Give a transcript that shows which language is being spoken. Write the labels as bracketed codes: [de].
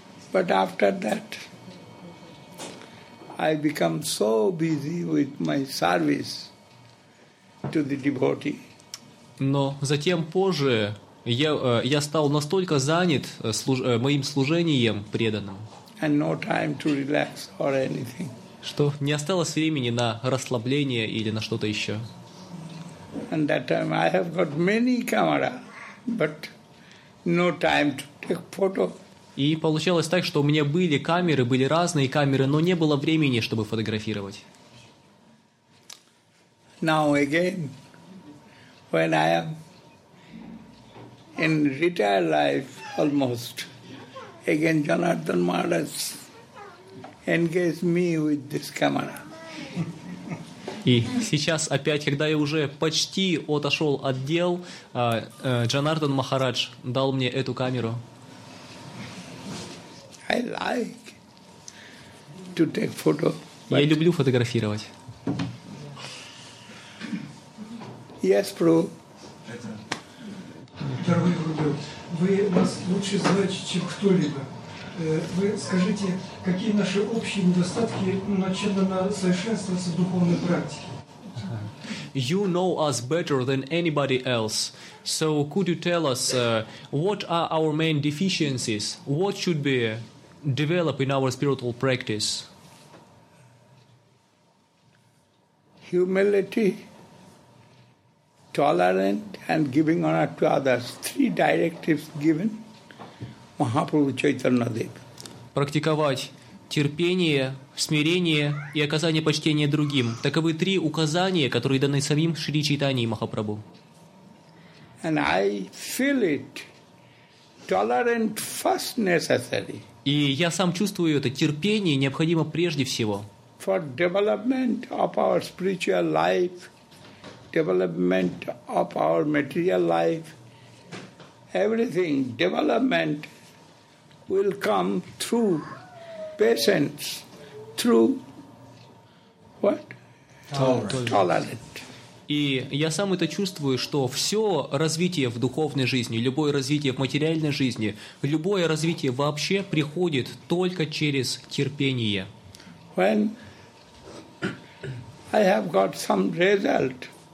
[en] But after that, I become so busy with my service to the devotee. [ru] Но затем позже я стал настолько занят моим служением преданным. [en] And no time to relax or anything. [ru] Что не осталось времени на расслабление или на что-то еще. [en] And that time I have got many camera, but no time to take photo. [ru] И получалось так, что у меня были камеры, были разные камеры, но не было времени, чтобы фотографировать. [en] Now again, when I am in retired life almost, again Janardhan Maharaj engage me with this camera. [ru] И сейчас опять, когда я уже почти отошел от дел, Джанардан Махарадж дал мне эту камеру. [en] I like to take photo. [ru] Я люблю фотографировать. [en] Yes, bro. [ru] Второй рубль. Вы нас лучше знаете, чем кто-либо. Вы скажите, какие наши общие недостатки, начиная на совершенствоваться в духовной практике? [en] You know us better than anybody else. So could you tell us what are our main deficiencies? What should be developed in our spiritual practice? Humility. Tolerant and giving honor to others. Three directives given Mahaprabhu Chaitanya Dev. [ru] Практиковать терпение, смирение и оказание почтения другим. Таковы три указания, которые даны самим Шри Чайтанье Махапрабху. [en] And I feel it. Tolerant first necessary. [ru] И я сам чувствую это. Терпение необходимо прежде всего. [en] For development of our spiritual life. Development of our material life, everything development will come through patience, through what? Tolerance. [ru] И я сам это чувствую, что все развитие в духовной жизни, любое развитие в материальной жизни, любое развитие вообще приходит только через терпение. [en] When I have got some result.